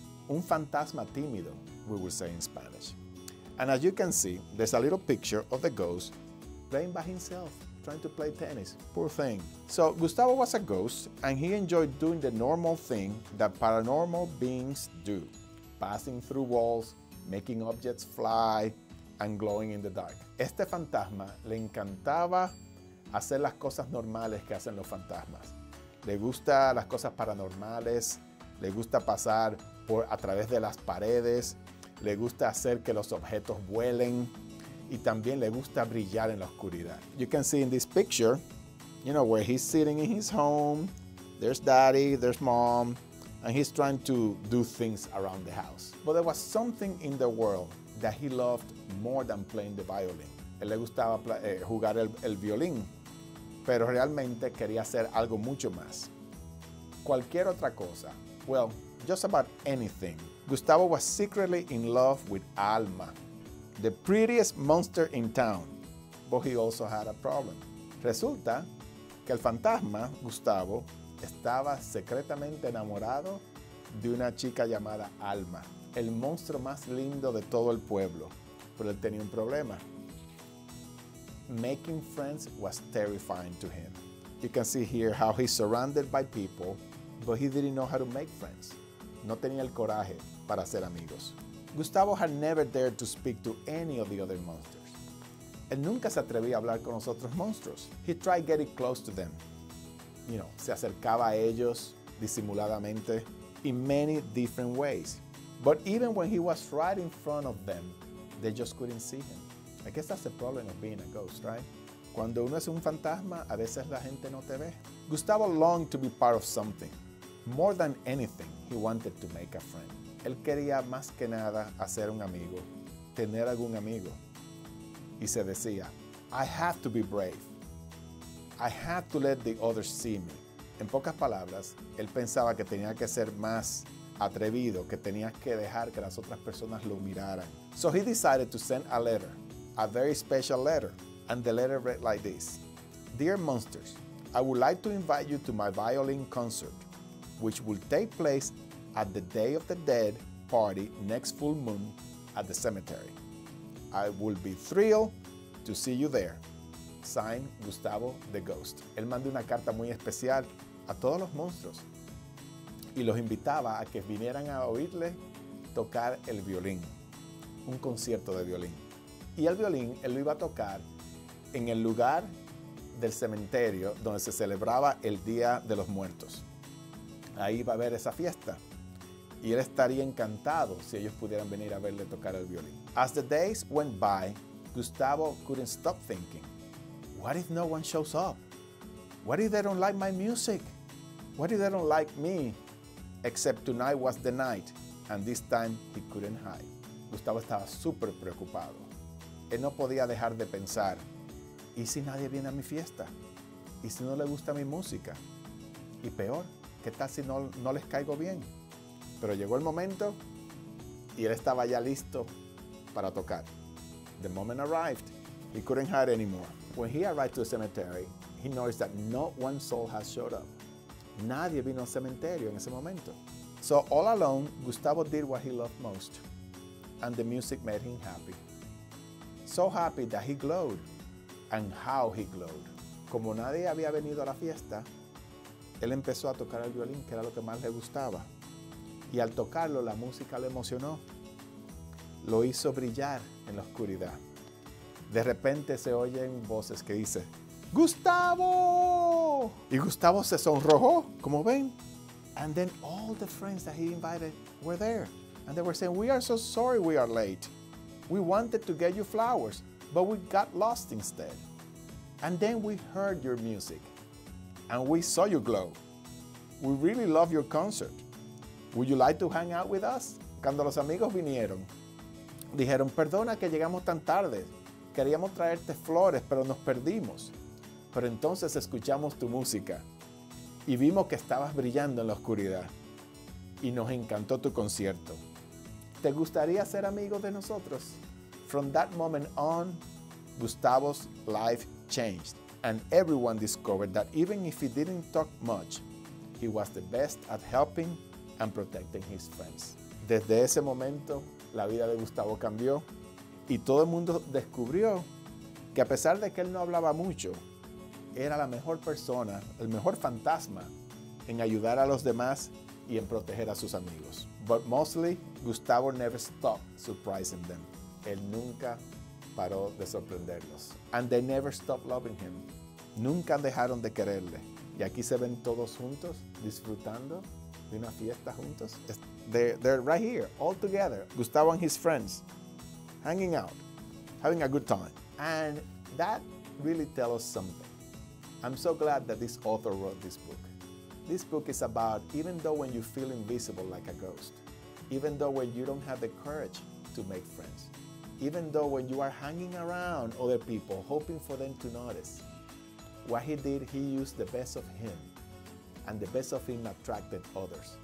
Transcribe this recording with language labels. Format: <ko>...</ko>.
<es>Un fantasma tímido,</es> <en>we will say in Spanish. And as you can see, there's a little picture of the ghost playing by himself, trying to play tennis, poor thing. So Gustavo was a ghost and he enjoyed doing the normal thing that paranormal beings do, passing through walls, making objects fly, and glowing in the dark.</en> <es>Este fantasma le encantaba hacer las cosas normales que hacen los fantasmas. Le gusta las cosas paranormales, le gusta pasar por a través de las paredes, le gusta hacer que los objetos vuelen y también le gusta brillar en la oscuridad.</es> <en>You can see in this picture, you know, where he's sitting in his home, there's daddy, there's mom, and he's trying to do things around the house. But there was something in the world that he loved more than playing the violin.</en> <es>Él le gustaba jugar el violín, pero realmente quería hacer algo mucho más. Cualquier otra cosa.</es> <en>Well, just about anything. Gustavo was secretly in love with Alma, the prettiest monster in town. But he also had a problem.</en> <es>Resulta que el fantasma, Gustavo, estaba secretamente enamorado de una chica llamada Alma, el monstruo más lindo de todo el pueblo. Pero él tenía un problema.</es> <en>Making friends was terrifying to him. You can see here how he's surrounded by people, but he didn't know how to make friends.</en> <es>No tenía el coraje para hacer amigos.</es> <en>Gustavo had never dared to speak to any of the other monsters.</en> <es>Él nunca se atrevía a hablar con los otros monstruos.</es> <en>He tried getting close to them. You know,</en> <es>se acercaba a ellos disimuladamente</es> <en>in many different ways. But even when he was right in front of them, they just couldn't see him. I guess that's the problem of being a ghost, right?</en> <es>Cuando uno es un fantasma, a veces la gente no te ve.</es> <en>Gustavo longed to be part of something. More than anything, he wanted to make a friend.</en> <es>Él quería más que nada hacer un amigo, tener algún amigo. Y se decía,</es> <en>I have to be brave. I have to let the others see me.</en> <es>En pocas palabras, él pensaba que tenía que ser más atrevido, que tenía que dejar que las otras personas lo miraran.</es> <en>So he decided to send a letter, a very special letter, and the letter read like this. Dear monsters, I would like to invite you to my violin concert, which will take place at the Day of the Dead party next full moon at the cemetery. I will be thrilled to see you there. Signed, Gustavo the Ghost.</en> <es>Él mandó una carta muy especial a todos los monstruos y los invitaba a que vinieran a oírle tocar el violín, un concierto de violín. Y el violín, él lo iba a tocar en el lugar del cementerio donde se celebraba el Día de los Muertos. Ahí iba a haber esa fiesta. Y él estaría encantado si ellos pudieran venir a verle tocar el violín.</es> <en>As the days went by, Gustavo couldn't stop thinking, what if no one shows up? What if they don't like my music? What if they don't like me? Except tonight was the night, and this time he couldn't hide.</en> <es>Gustavo estaba súper preocupado. Él no podía dejar de pensar, ¿y si nadie viene a mi fiesta? ¿Y si no le gusta mi música? Y peor, ¿qué tal si no les caigo bien? Pero llegó el momento y él estaba ya listo para tocar.</es> <en>The moment arrived, he couldn't hide anymore. When he arrived to the cemetery, he noticed that not one soul has showed up.</en> <es>Nadie vino al cementerio en ese momento.</es> <en>So all alone, Gustavo did what he loved most, and the music made him happy. So happy that he glowed, and how he glowed.</en> <es>Como nadie había venido a la fiesta, él empezó a tocar el violín, que era lo que más le gustaba. Y al tocarlo, la música lo emocionó. Lo hizo brillar en la oscuridad. De repente se oyen voces que dicen, ¡Gustavo! Y Gustavo se sonrojó, como ven.</es> <en>And then all the friends that he invited were there. And they were saying, we are so sorry we are late. We wanted to get you flowers, but we got lost instead. And then we heard your music, and we saw you glow. we really love your concert. Would you like to hang out with us?</en> <es>Cuando los amigos vinieron, dijeron, perdona que llegamos tan tarde. Queríamos traerte flores, pero nos perdimos. Pero entonces escuchamos tu música y vimos que estabas brillando en la oscuridad. Y nos encantó tu concierto. ¿Te gustaría ser amigo de nosotros?</es> <en>From that moment on, Gustavo's life changed. And everyone discovered that even if he didn't talk much, he was the best at helping and protecting his friends.</en> <es>Desde ese momento, la vida de Gustavo cambió. Y todo el mundo descubrió que a pesar de que él no hablaba mucho, era la mejor persona, el mejor fantasma en ayudar a los demás y en proteger a sus amigos.</es> <en>But mostly, Gustavo never stopped surprising them.</en> <es>Él nunca paró de sorprenderlos.</es> <en>And they never stopped loving him.</en> <es>Nunca dejaron de quererle. Y aquí se ven todos juntos, disfrutando de una fiesta juntos.</es> <en>They're right here, all together. Gustavo and his friends, hanging out, having a good time. And that really tells us something. I'm so glad that this author wrote this book. This book is about, even though when you feel invisible like a ghost, even though when you don't have the courage to make friends, even though when you are hanging around other people, hoping for them to notice, what he did, he used the best of him, and the best of him attracted others.</en>